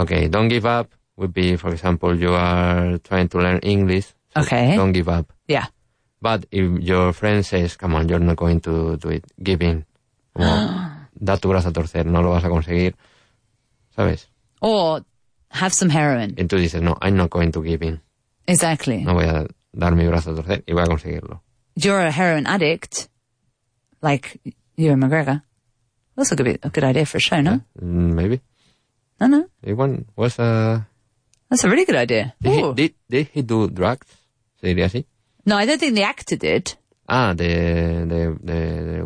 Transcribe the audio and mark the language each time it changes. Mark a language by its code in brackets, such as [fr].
[en] Okay, don't give up would be, for example, you are trying to learn English. So okay. Don't give up. Yeah. But if your friend says, come on, you're not going to do it, give in. [es] Well, da tu brazo a torcer, no lo vas a conseguir. ¿Sabes? [en] Or have some heroin. [es] Y tú dices, [en] no, I'm not going to give in. Exactly. [es] No voy a dar mi brazo a torcer y voy a conseguirlo. [en] You're a heroin addict, like Ewan McGregor. That's a good idea for a show, no? Yeah, maybe. No, no. Ewan was a... That's a really good idea. Did he do drugs? [es] ¿Se diría así? [en] No, I don't think the actor did. Ah, the